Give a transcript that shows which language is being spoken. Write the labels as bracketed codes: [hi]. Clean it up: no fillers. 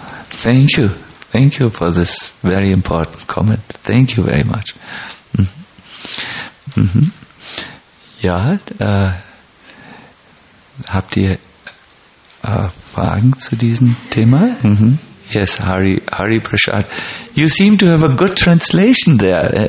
[en] Thank you for this very important comment. Thank you very much. [de] Ja, habt ihr Fragen zu diesem Thema? [en] Yes, Hari Prasad. You seem to have a good translation there.